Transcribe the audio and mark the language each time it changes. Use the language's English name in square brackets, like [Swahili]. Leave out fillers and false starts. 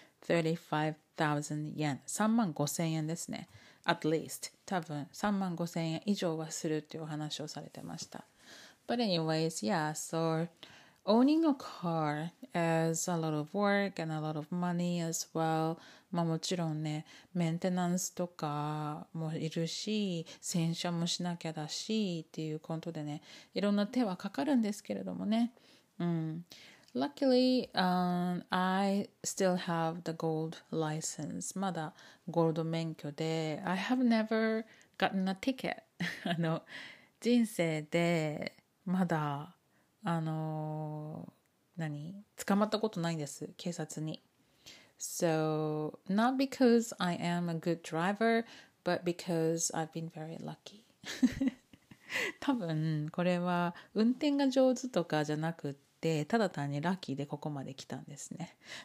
[Japanese] 35,000 yen、 35,000円ですね。 [English] At least [Japanese] 多分35,000円以上はするっていうお話をされてました。 [English] But anyways, yeah, so owning a car is a lot of work and a lot of money as well. [Japanese] まあもちろんね、メンテナンスとかもいるし、洗車もしなきゃだしっていうことでね、いろんな手はかかるんですけれどもね。 [English] うん。Luckily, I still have the gold license. [Japanese] まだゴールド免許で、 [English] I have never gotten a ticket. [Japanese] 人生でまだ何捕まったことないんです、警察に。 [English] So, not because I am a good driver, but because I've been very lucky. [Japanese] 多分これは運転が上手とかじゃなくて、でただ単にラッキーでここまで来たんですね。